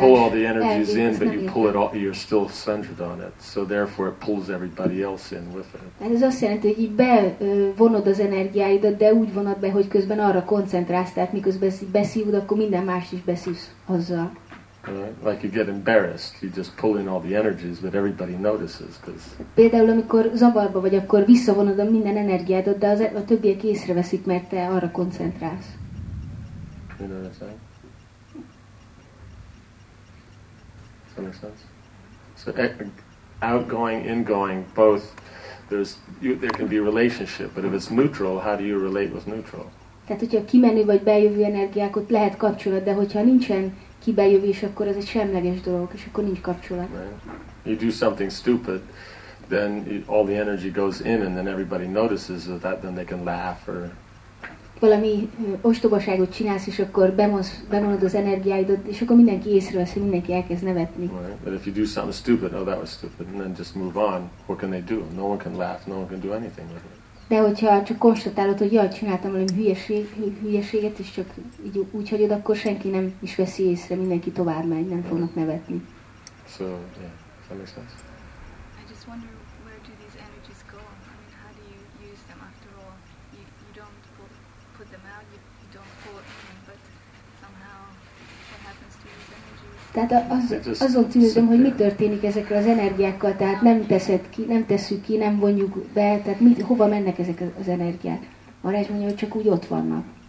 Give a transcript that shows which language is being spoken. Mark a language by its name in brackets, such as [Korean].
[English] You pull all the energies in, but you pull it all, you're still centered on it. So therefore it pulls everybody else in with it. [Hungarian] Ez azt jelenti, hogy bevonod az energiáidat, de úgy vonod be, hogy közben arra koncentrálsz, tehát miközben beszívod, akkor minden más is beszívsz azzal. [English] Right. Like you get embarrassed, you just pull in all the energies, but everybody notices, because. [Hungarian] Például amikor zavarba vagy, akkor visszavonod a minden energiádat, de a többiek észreveszik, mert te arra koncentrálsz. [English] You know what I'm saying? Does that make sense? So outgoing, ingoing, both. There can be a relationship, but if it's neutral, how do you relate with neutral? [Hungarian] Tehát hogyha kimenő vagy bejövő energiák, ott lehet kapcsolat, de hogyha nincsen kibejövő, és akkor ez egy semleges dolog, és akkor nincs kapcsolat. [English] Right. You do something stupid, then all the energy goes in, and then everybody notices that, then they can laugh or. [Hungarian] Valami ostobaságot csinálsz, és akkor bemonod az energiáidat, és akkor mindenki észrevesz, hogy mindenki elkezd nevetni. [English] Right. But if you do something stupid, oh that was stupid, and then just move on, what can they do? No one can laugh, no one can do anything with it. [Hungarian] De hogyha csak konstatálod, hogy jaj, csináltam valami hülyeséget, és csak így úgy hagyod, akkor senki nem is veszi észre, mindenki tovább megy, nem fognak nevetni. [English] So, yeah, does that make sense? I just wonder, where do these energies go? I mean, how do you use them after all? You don't put them out, you don't pull them, but somehow, what happens to these energies? [Hungarian] Tehát azon tűnődöm, hogy mi történik ezekkel az energiákkal, tehát nem teszed ki, nem tesszük ki, nem vonjuk be, tehát hova mennek ezek az energiák? Marács mondja, hogy csak úgy ott vannak.